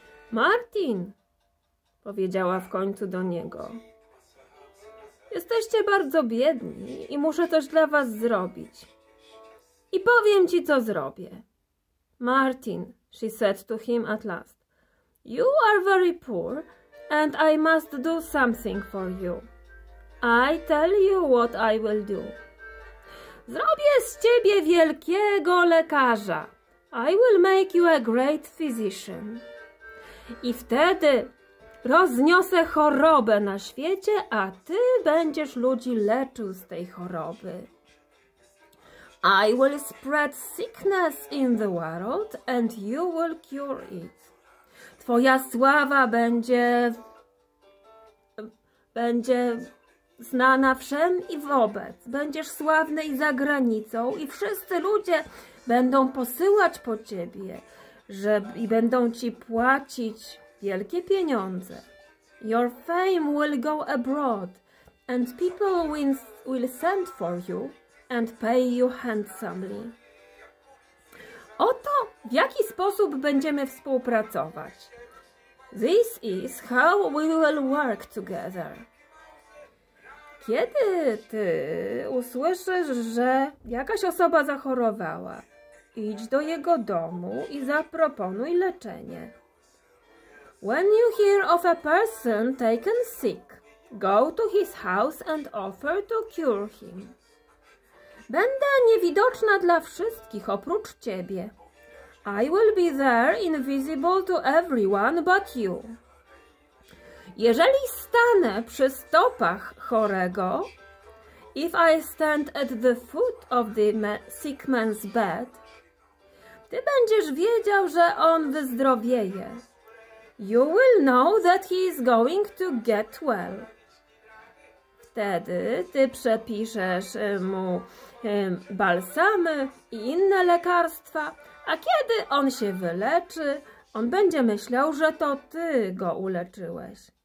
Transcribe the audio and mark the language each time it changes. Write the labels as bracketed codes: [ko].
[pl] Martin, powiedziała w końcu do niego. Jesteście bardzo biedni i muszę coś dla was zrobić. I powiem ci, co zrobię. [en] Martin, she said to him at last. You are very poor and I must do something for you. I tell you what I will do. [pl] Zrobię z ciebie wielkiego lekarza. [en] I will make you a great physician. [pl] I wtedy rozniosę chorobę na świecie, a ty będziesz ludzi leczył z tej choroby. [en] I will spread sickness in the world and you will cure it. [pl] Twoja sława będzie znana wszem i wobec. Będziesz sławny i za granicą i wszyscy ludzie będą posyłać po ciebie. I będą ci płacić wielkie pieniądze. [en] Your fame will go abroad, and people will send for you and pay you handsomely. [pl] Oto w jaki sposób będziemy współpracować. [en] This is how we will work together. [pl] Kiedy ty usłyszysz, że jakaś osoba zachorowała, idź do jego domu i zaproponuj leczenie. [en] When you hear of a person taken sick, go to his house and offer to cure him. [pl] Będę niewidoczna dla wszystkich oprócz ciebie. [en] I will be there invisible to everyone but you. [pl] Jeżeli stanę przy stopach chorego, [en] if I stand at the foot of the sick man's bed, [pl] ty będziesz wiedział, że on wyzdrowieje. [en] You will know that he is going to get well. [pl] Wtedy ty przepiszesz mu balsamy i inne lekarstwa, a kiedy on się wyleczy, on będzie myślał, że to ty go uleczyłeś.